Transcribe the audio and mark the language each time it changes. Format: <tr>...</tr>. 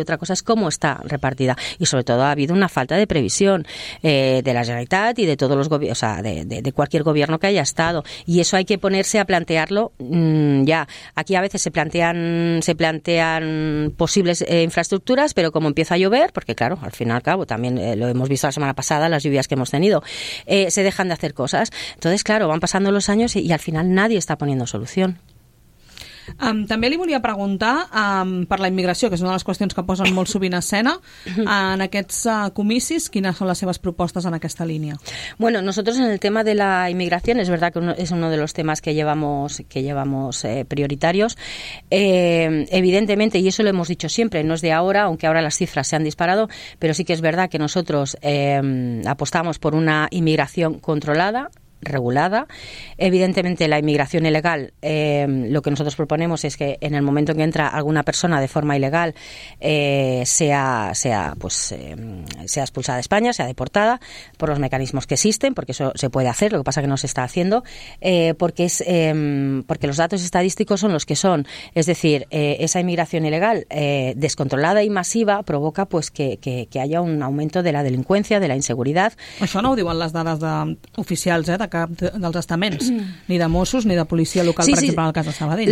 <es>Otra cosa es cómo está repartida, y sobre todo ha habido una falta de previsión de la Generalitat y de todos los gobiernos, o sea, de cualquier gobierno que haya estado, y eso hay que ponerse a plantearlo ya. Aquí a veces se plantean posibles infraestructuras, pero como empieza a llover, porque claro, al fin y al cabo también lo hemos visto la semana pasada, las lluvias que hemos tenido, se dejan de hacer cosas. Entonces claro, van pasando los años y al final nadie está poniendo solución.</es> <ca>També li volia preguntar per la immigració, que és una de les qüestions que posen molt sovint a escena en aquests comicis. Quines són les seves propostes en aquesta línia?</ca> <es>Bueno, nosotros en el tema de la inmigración, es verdad que es uno de los temas que llevamos prioritarios, evidentemente, y eso lo hemos dicho siempre, no es de ahora, aunque ahora las cifras se han disparado, pero sí que es verdad que nosotros apostamos por una inmigración controlada, regulada. Evidentemente la inmigración ilegal, lo que nosotros proponemos es que en el momento en que entra alguna persona de forma ilegal sea expulsada de España, sea deportada por los mecanismos que existen, porque eso se puede hacer, lo que pasa que no se está haciendo, porque los datos estadísticos son los que son. Es decir, esa inmigración ilegal descontrolada y masiva provoca pues que haya un aumento de la delincuencia, de la inseguridad.</es> <ca>Això no ho diuen les dades oficials, de cap dels estaments, ni de Mossos ni de policia local, per exemple, en el cas de Sabadell.</ca>